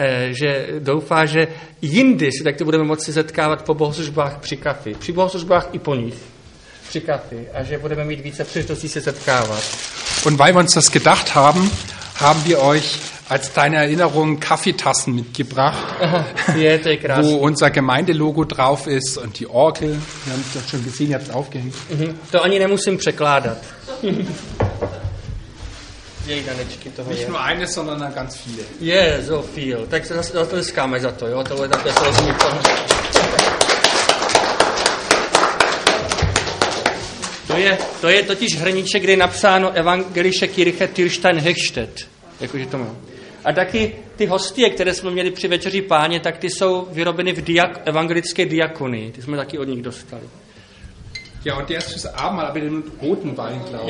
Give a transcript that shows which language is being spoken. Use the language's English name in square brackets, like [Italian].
[Czech] že doufá, že jindy se takto budeme moci setkávat po bohoslužbách při kafi. Při bohoslužbách i po nich. Při kafi. A že budeme mít více příležitostí se setkávat. [German] Und weil wir uns das gedacht haben, haben wir euch als deine Erinnerung Kaffeetassen mitgebracht. [Czech] Je, krásný. [German] Wo unser Gemeindelogo drauf ist und die Orgel. Wir haben das schon gesehen, ihr habt es aufgehängt. Mhm. [Czech] To ani nemusím překládat. [German] Nicht nur eine, sondern ganz viele. [Czech] Je, [English] yeah, [German] so viel. [Czech] Tak se zatleskáme za to, jo? To bude také srozumitelné. To je totiž hrníček, kde je napsáno Evangelische Kirche Tirstein Hechtstedt. Jakože to má. A taky ty hostie, které jsme měli při Večeři Páně, tak ty jsou vyrobeny v evangelické diakonii. Ty jsme taky od nich dostali. [German] Ja, und der ist fürs Abendmahl, aber den roten Wein, glaube